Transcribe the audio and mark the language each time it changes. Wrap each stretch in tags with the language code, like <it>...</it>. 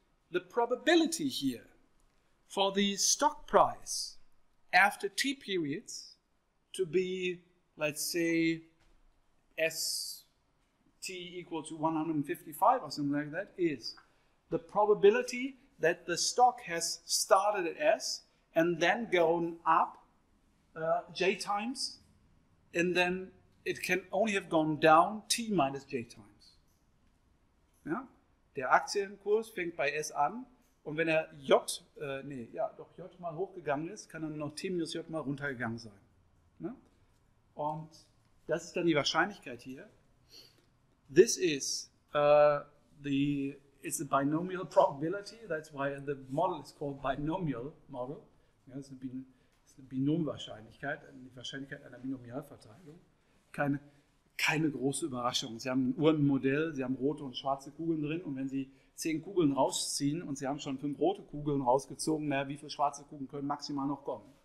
<en>The probability here for the stock price after T periods to be, let's say, T equal to 155 or something like that, is the probability that the stock has started at S and then gone up J times, and then it can only have gone down T minus J times.</en> <de>Ja? Der Aktienkurs fängt bei S an, und wenn er J mal hochgegangen ist, kann dann noch T minus J mal runtergegangen sein. Ja? Und das ist dann die Wahrscheinlichkeit hier.</de> <en>This is it's a binomial probability. That's why the model is called binomial model.</en> <de>Ja, es ist eine Binomwahrscheinlichkeit, eine Wahrscheinlichkeit einer Binomialverteilung. Keine große Überraschung. Sie haben ein Uhrenmodell, Sie haben rote und schwarze Kugeln drin. Und wenn Sie 10 Kugeln rausziehen und Sie haben schon 5 rote Kugeln rausgezogen, na, wie viele schwarze Kugeln können maximal noch kommen?</de>